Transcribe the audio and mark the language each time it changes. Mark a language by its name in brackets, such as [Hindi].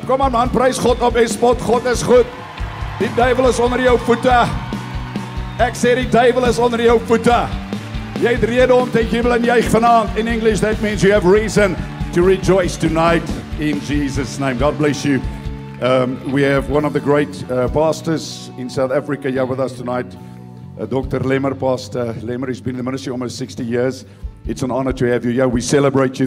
[Afrikaans] Kom aan man, [English] praise God [Afrikaans] op en spot, God is goed. Die duivel is onder jou voete. Ek sê die duivel is onder jou voete. Jy het rede om te jubel en juig vanavond. [English] In English, that means you have reason to rejoice tonight in Jesus' name. God bless you. We have one of the great pastors in South Africa here with us tonight, Dr. Lemmer, Pastor Lemmer. He's been in the ministry almost 60 years. It's an honor to have you here. We celebrate you.